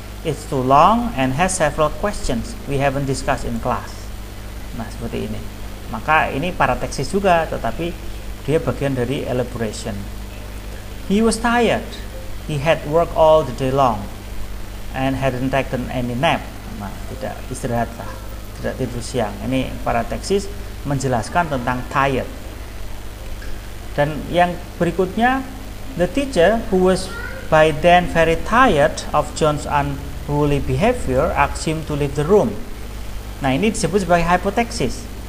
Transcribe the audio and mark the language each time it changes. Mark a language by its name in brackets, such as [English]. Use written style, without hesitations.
[English] It's too long and has several questions we haven't discussed in class. [Indonesian] Nah, seperti ini. Maka ini paratexis juga, tetapi dia bagian dari elaboration. [English] He was tired. He had worked all the day long and hadn't taken any nap. [Indonesian] Nah, tidak istirahat lah. Tidak tidur siang. Ini paratexis menjelaskan tentang tired. Dan yang berikutnya, [English] the teacher who was by then very tired of John's unruly behavior asked him to leave the room. [Indonesian] Nah, ini disebut sebagai hypotexis.